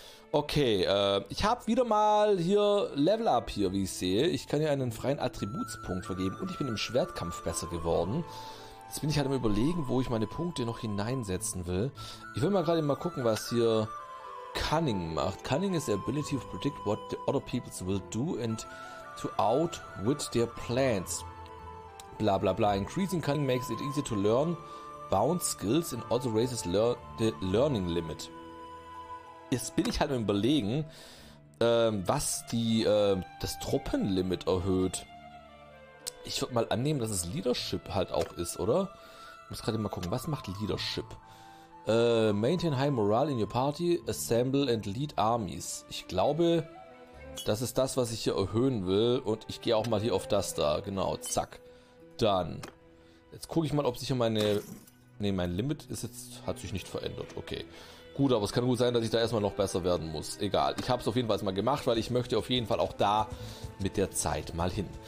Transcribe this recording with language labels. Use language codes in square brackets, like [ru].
[de] Okay, ich habe wieder mal hier Level Up hier, wie ich sehe. Ich kann hier einen freien Attributspunkt vergeben und ich bin im Schwertkampf besser geworden. Jetzt bin ich halt am Überlegen, wo ich meine Punkte noch hineinsetzen will. Ich will mal gerade mal gucken, was hier Cunning macht. [en] Cunning is the ability to predict what the other people will do and to outwit their plans. Bla bla bla. Increasing Cunning makes it easier to learn bound skills and also raises the learning limit. [de] Jetzt bin ich halt am Überlegen, was die das Truppenlimit erhöht. Ich würde mal annehmen, dass es Leadership halt auch ist, oder? Ich muss gerade mal gucken, was macht Leadership? [en] Maintain high morale in your party, assemble and lead armies. [de] Ich glaube, das ist das, was ich hier erhöhen will. Und ich gehe auch mal hier auf das da. Genau, zack. Dann. Jetzt gucke ich mal, ob sich hier meine... Nee, mein Limit ist jetzt, hat sich nicht verändert. Okay. Gut, aber es kann gut sein, dass ich da erstmal noch besser werden muss. Egal, ich habe es auf jeden Fall mal gemacht, weil ich möchte auf jeden Fall auch da mit der Zeit mal hin.